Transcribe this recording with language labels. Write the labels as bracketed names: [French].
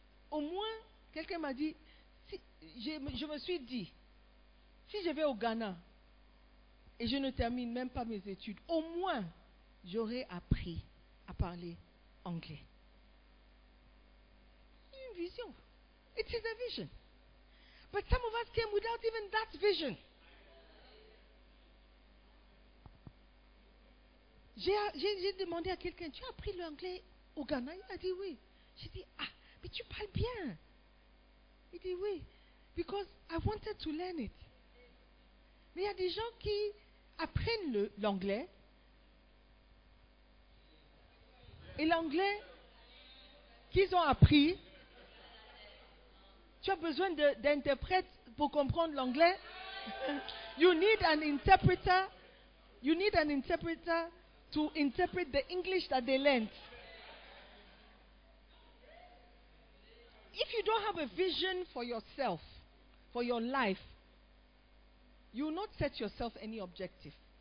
[French] Au moins, quelqu'un m'a dit, si, je me suis dit, si je vais au Ghana et je ne termine même pas mes études, au moins, j'aurai appris à parler anglais. Une vision. [English] It is a vision. But some of us came without even that vision. [French] J'ai demandé à quelqu'un, tu as appris l'anglais au Ghana? Il a dit oui. J'ai dit, ah, mais tu parles bien. Il dit oui. [English] Because I wanted to learn it. [French] Mais il y a des gens qui apprennent l'anglais. Et l'anglais qu'ils ont appris, tu as besoin d'interprètes pour comprendre l'anglais. [English] You need an interpreter. You need an interpreter to interpret the English that they learned. If you don't have a vision for yourself, for your life, you will not set yourself any objective.